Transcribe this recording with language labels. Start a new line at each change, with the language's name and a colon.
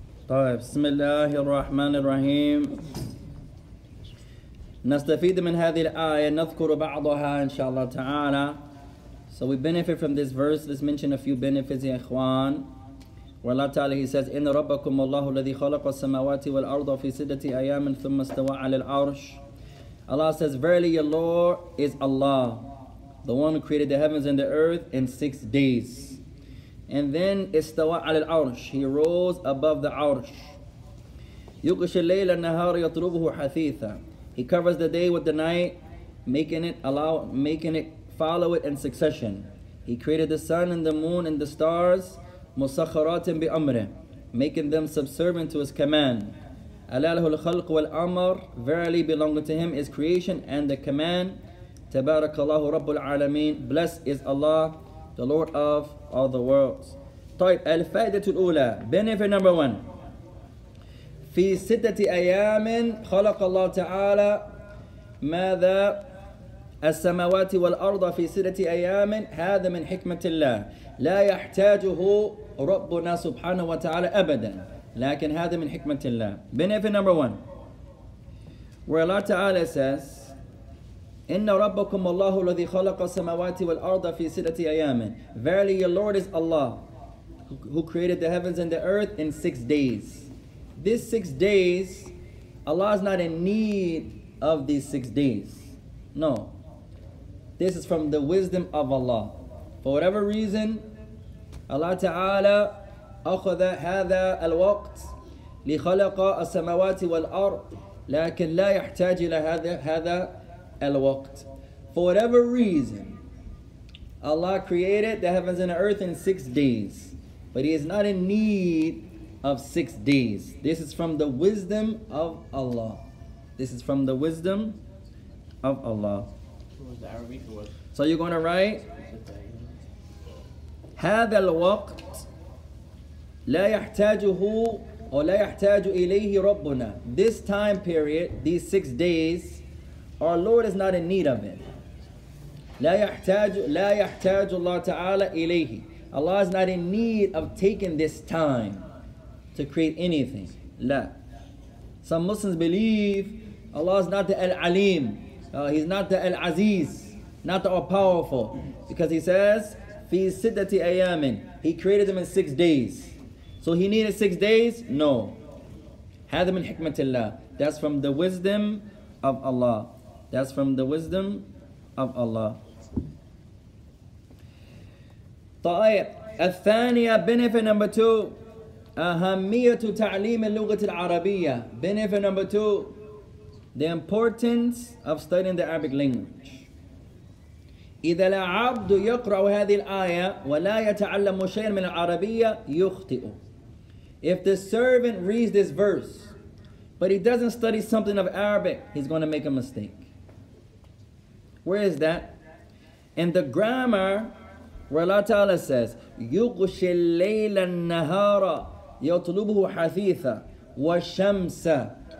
Arabic: بسم الله الرحمن الرحيم نستفيد من هذه الآية نذكر بعضها إن شاء الله تعالى.
English: So we benefit from this verse. Let's mention a few benefits,
Arabic: يا إخوان. والله تعالى
English: he says
Arabic: إن ربكم الله الذي خلق السماوات والأرض في ستة أيام ثم استوى على العرش.
English: Allah says verily your Lord is Allah, the one who created the heavens and the earth in 6 days. And then
Arabic: استوى على العرش,
English: he rose above the عرش.
Arabic: يغشى الليل النهار يطلبه حثيثا.
English: He covers the day with the night, making it follow it in succession. He created the sun and the moon and the stars,
Arabic: مسخرات بأمره,
English: making them subservient to his command.
Arabic: ألا له الخلق والأمر,
English: verily belonging to him is creation and the command.
Arabic: تبارك الله رب العالمين,
English: blessed is Allah, the Lord of all the worlds.
Arabic: طيب الفائدة الأولى,
English: benefit number one.
Arabic: في ستة أيام خلق الله تعالى ماذا السماوات والأرض في ستة أيام هذا من حكمة الله لا يحتاجه ربنا سبحانه وتعالى أبدا لكن هذا من حكمة الله.
English: Benefit number one, where Allah
Arabic: تعالى
English: says
Arabic: إن ربكم الله الذي خلق السماوات والأرض في ستة أيام.
English: Verily your Lord is Allah who created the heavens and the earth in 6 days. This 6 days, Allah is not in need of these 6 days. No. This is from the wisdom of Allah. For whatever reason, Allah Ta'ala
Arabic: أخذ هذا الوقت لخلق السماوات والأرض لكن لا يحتاج إلى هذا الوقت.
English: For whatever reason, Allah created the heavens and the earth in 6 days. But He is not in need of 6 days. This is from the wisdom of Allah. This is from the wisdom of Allah. So you're going to write,
Arabic: هذا الوقت لا يحتاجه أو لا يحتاج إليه ربنا.
English: This time period, these 6 days, our Lord is not in need of it.
Arabic: لا يحتاج الله تعالى إليه.
English: Allah is not in need of taking this time to create anything.
Arabic: لا.
English: Some Muslims believe Allah is not the Al-Alim. He's not the Al-Aziz, not the All-Powerful. Because He says,
Arabic: في ستة أيام,
English: He created them in 6 days. So He needed 6 days? No.
Arabic: هذا من حكمة الله.
English: That's from the wisdom of Allah. That's from the wisdom of Allah. طيب. الثانية, benefit number two.
Arabic: أهمية تعليم اللغة العربية.
English: Benefit number two. The importance of studying the Arabic language.
Arabic: إذا العبد يقرأ هذه الآية ولا يتعلم شيئا من العربية يخطئ.
English: If the servant reads this verse, but he doesn't study something of Arabic, he's going to make a mistake. Where is that? In the grammar, where Allah Ta'ala says,
Arabic: يُغْشِ اللَّيْلَ النَّهَارَ يَطْلُبُهُ حَثِيثًا وَشَمْسًا.